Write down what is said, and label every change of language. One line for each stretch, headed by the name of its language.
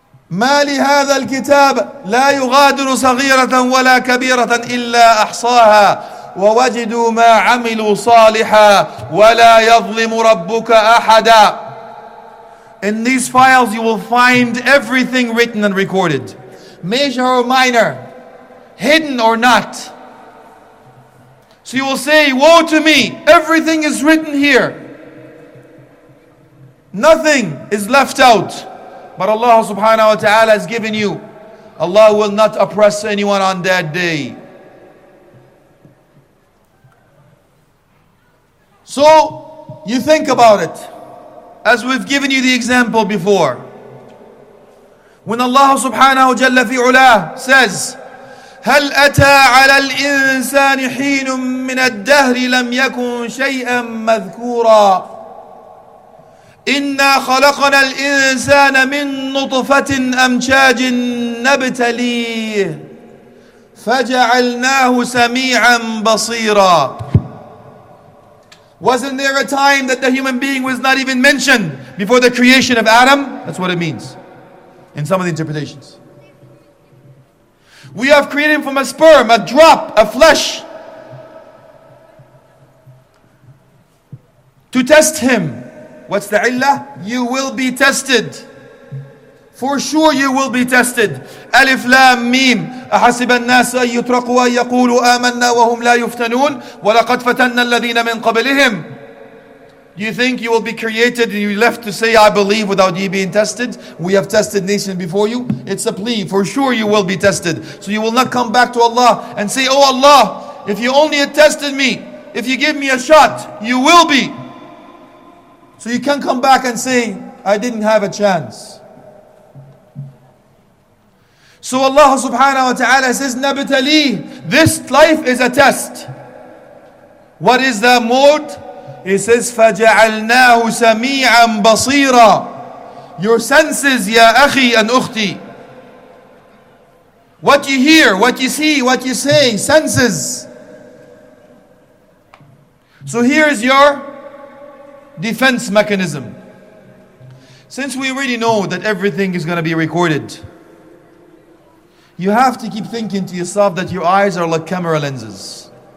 Arabic: ما لهذا الكتاب لا يغادر صغيرة ولا كبيرة إلا أحصاها ووجدوا ما عملوا صالحا ولا يظلم ربك أحدا.
English: In these files you will find everything written and recorded, major or minor, hidden or not. So you will say, woe to me, everything is written here, nothing is left out. But Allah subhanahu wa ta'ala has given you. Allah will not oppress anyone on that day. So, you think about it. As we've given you the example before. When Allah subhanahu wa jalla fi ula says,
Arabic: هَلْ أَتَى عَلَى الْإِنسَانِ حِينٌ مِّنَ الدَّهْرِ لَمْ يَكُنْ شَيْئًا مَذْكُورًا إِنَّا خَلَقَنَا الْإِنسَانَ مِنْ نُطْفَةٍ أَمْشَاجٍ نَبْتَلِيهِ فَجَعَلْنَاهُ سَمِيعًا بَصِيرًا.
English: Wasn't there a time that the human being was not even mentioned before the creation of Adam? That's what it means in some of the interpretations. We have created him from a sperm, a drop, a flesh, to test him. What's the illah? You will be tested. For sure you will be tested.
Arabic: Alif Lam Mim. أَحَسِبَ النَّاسَ أَن يُتْرَقُوا أَن يَقُولُوا آمَنَّا وَهُمْ لَا يُفْتَنُونَ وَلَقَدْ فَتَنَّا الَّذِينَ مِنْ قَبْلِهِمْ.
English: Do you think you will be created and you left to say, I believe, without you being tested? We have tested nations before you. It's a plea. For sure you will be tested. So you will not come back to Allah and say, oh Allah, if you only had tested me, if you give me a shot, you will be. So you can come back and say, I didn't have a chance. So Allah subhanahu wa ta'ala says, نَبْتَلِي. This life is a test. What is the mode? He says,
Arabic: فَجَعَلْنَاهُ سَمِيعًا بَصِيرًا.
English: Your senses, ya akhi and ukhti. What you hear, what you see, what you say, senses. So here is your defense mechanism. Since we already know that everything is going to be recorded, you have to keep thinking to yourself that your eyes are like camera lenses.